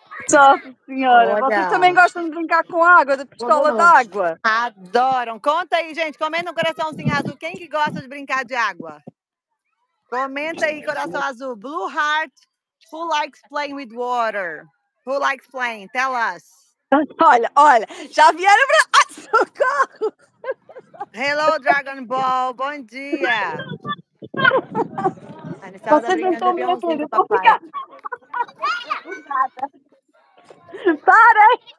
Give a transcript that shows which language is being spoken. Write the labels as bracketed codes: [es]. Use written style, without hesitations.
[pt] Nossa senhora, olha. Vocês também gostam de brincar com água, da pistola d'água? Adoram. Conta aí, gente, comenta no coraçãozinho azul, quem que gosta de brincar de água? Comenta aí, coração azul. [en] Blue heart, who likes playing with water? Who likes playing? Tell us. [pt] Olha, olha, já vieram para... Ai, socorro! [en] Hello, Dragon Ball, [pt] bom dia! Vocês não estão me ouvindo, estou ficando... Para!